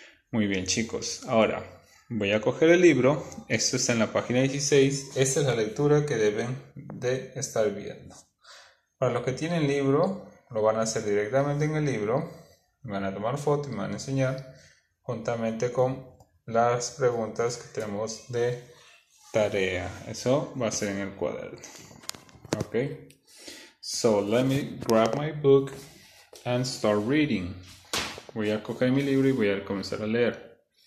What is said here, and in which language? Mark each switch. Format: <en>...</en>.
<es>Muy bien, chicos, ahora voy a coger el libro, esto está en la página 16, esta es la lectura que deben de estar viendo. Para los que tienen libro, lo van a hacer directamente en el libro, me van a tomar foto y me van a enseñar, juntamente con las preguntas que tenemos de tarea. Eso va a ser en el cuaderno. Ok.</es> <en>So, let me grab my book and start reading.</en> <es>Voy a coger mi libro y voy a comenzar a leer.</es>